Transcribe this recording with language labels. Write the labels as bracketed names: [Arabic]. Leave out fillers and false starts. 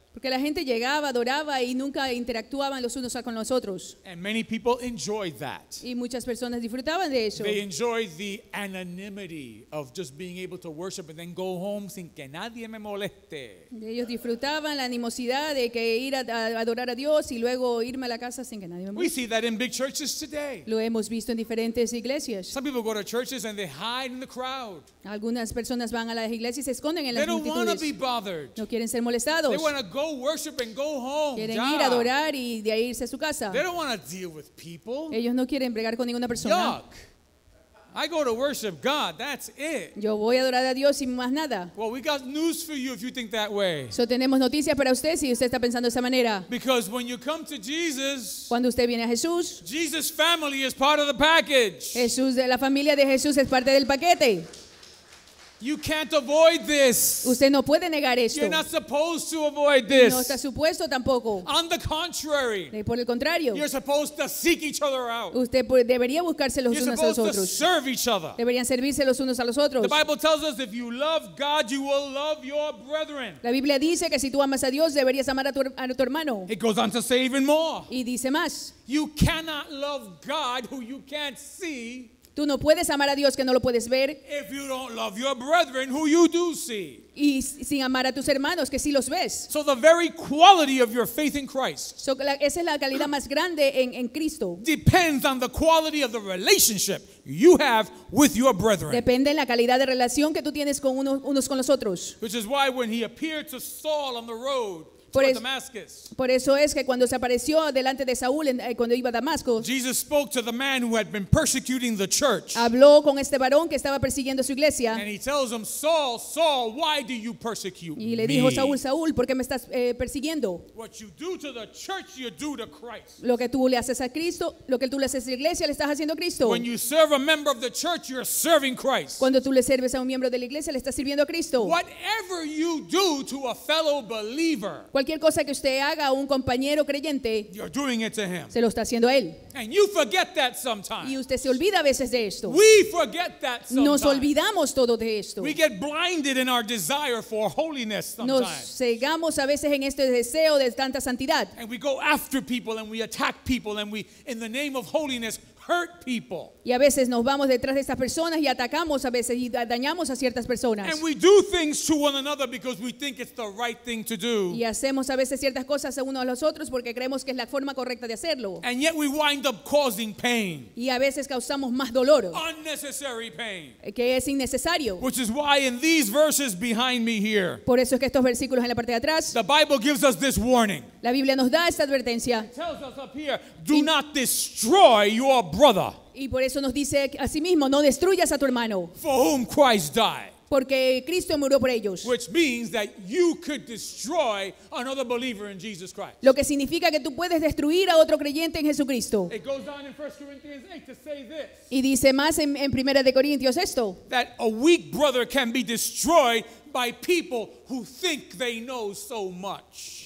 [Spanish] Porque la gente llegaba, adoraba y nunca interactuaban los unos con los otros. [English] And many people enjoyed that. [Spanish] Y muchas personas disfrutaban de eso. [English] They enjoyed the anonymity of just being able to worship and then go home [Spanish] sin que nadie me moleste. Ellos disfrutaban la animosidad de que ir a adorar a Dios y luego irme a la casa sin que nadie me moleste. [English] We see that in big churches today. [Spanish] Lo hemos visto en diferentes iglesias. [English] Some people go to churches and they hide in the crowd. [Spanish] Algunas personas van a las iglesias y se esconden en las multitudes. [English] They don't want to be bothered. [Spanish] No quieren ser molestados. [English] They want to go worship and go home. [Spanish] Quieren ir a adorar y de ahí irse a su casa. [English] They don't want to deal with people. [Spanish] Ellos no quieren bregar con ninguna persona. [English] Yuck. I go to worship God. That's it. [Spanish] Yo voy a adorar a Dios y más nada. [English] Well, we got news for you if you think that way. [Spanish] So tenemos noticias para usted si usted está pensando de esa manera. [English] Because when you come to Jesus, [Spanish] cuando usted viene a Jesús, [English] Jesus' family is part of the package. [Spanish] Jesús, la familia de Jesús es parte del paquete. [English] You can't avoid this. [Spanish] Usted no puede negar esto. [English] You're not supposed to avoid this. [Spanish] No está supuesto tampoco. [English] On the contrary. [Spanish] Por el contrario. [English] You're supposed to seek each other out. [Spanish] Usted debería buscarse los unos a los otros. [English] You're supposed to serve each other. [Spanish] Deberían servirse los unos a los otros. [English] The Bible tells us if you love God, you will love your brethren. [Spanish] La Biblia dice que si tú amas a Dios, deberías amar a tu hermano. [English] It goes on to say even more. [Spanish] Y dice más. [English] You cannot love God who you can't see. [Spanish] Tú no puedes amar a Dios que no lo puedes ver. [English] If you don't love your brethren, who you do see. [Spanish] Y sin amar a tus hermanos que sí los ves. [English] So the very quality of your faith in Christ. [Spanish] So esa es la calidad más grande en Cristo. [English] Depends on the quality of the relationship you have with your brethren. [Spanish] Depende en la calidad de relación que tú tienes con unos con los otros. [English] Which is why when he appeared to Saul on the road. [Spanish] Por eso es que cuando se apareció delante de Saúl cuando iba a Damasco, [English] Jesus spoke to the man who had been persecuting the church. [Spanish] Habló con este varón que estaba persiguiendo su iglesia. [English] And he tells him, Saul, Saul, why do you persecute me? [Spanish] Y le dijo Saúl, Saúl, ¿por qué me estás persiguiendo? [English] What you do to the church, you do to Christ. [Spanish] Lo que tú le haces a Cristo, lo que tú le haces a la iglesia, le estás haciendo a Cristo. [English] When you serve a member of the church, you're serving Christ. [Spanish] Cuando tú le sirves a un miembro de la iglesia, le estás sirviendo a Cristo. [English] Whatever you do to a fellow believer. [Spanish] Cualquier cosa que usted haga a un compañero creyente, [English] you're doing it to him. [Spanish] Se lo está haciendo a él. [English] And you forget that sometimes. [Spanish] Y usted se olvida a veces de esto. [English] We forget that sometimes. [Spanish] Nos olvidamos todo de esto. [English] We get blinded in our desire for holiness sometimes. [Spanish] Nos cegamos a veces en este deseo de tanta santidad. [English] And we go after people and we attack people and we, in the name of holiness, hurt people. [Spanish] Y a veces nos vamos detrás de esas personas y atacamos a veces y dañamos a ciertas personas. [English] And we do things to one another because we think it's the right thing to do. [Spanish] Y hacemos a veces ciertas cosas a uno a los otros porque creemos que es la forma correcta de hacerlo. [English] And yet we wind up causing pain. [Spanish] Y a veces causamos más dolor. [English] Unnecessary pain. [Spanish] Que es innecesario. [English] Which is why in these verses behind me here. [Spanish] Por eso es que estos versículos en la parte de atrás. [English] The Bible gives us this warning. [Spanish] La Biblia nos da esta advertencia. [English] It tells us up here, do not destroy your brother. [Spanish] Y por eso nos dice a sí mismo, no destruyas a tu hermano. [English] For whom Christ died. [Spanish] Porque Cristo murió por ellos. [English] Which means that you could destroy another believer in Jesus Christ. [Spanish] Lo que significa que tú puedes destruir a otro creyente en Jesucristo. [English] It goes on in 1 Corinthians 8 to say this. [Spanish] Y dice más en Primera de Corintios esto. [English] That a weak brother can be destroyed by people who think they know so much.